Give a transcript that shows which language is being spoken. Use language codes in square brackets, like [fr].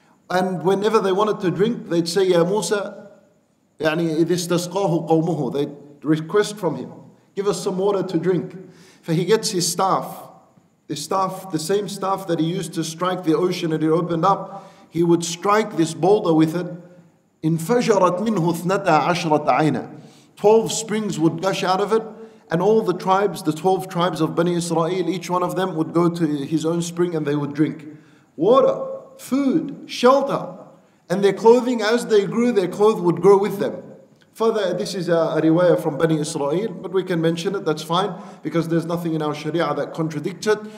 [en] And whenever they wanted to drink, they'd say, Ya Musa, يعني, [ar] istasqahu qawmuhu. [en] They'd request from him, give us some water to drink. For he gets his staff, the staff, the same staff that he used to strike the ocean and it opened up, he would strike this boulder with it. [ar] انفجرت منه اثنتا عشرة عينا. [en] 12 springs would gush out of it, and all the tribes, the 12 tribes of Bani Israel, each one of them would go to his own spring and they would drink. Water, food, shelter, and their clothing, as they grew, their clothes would grow with them. Further, this is a riwayah from Bani Israel, but we can mention it, that's fine, because there's nothing in our Sharia that contradicts it.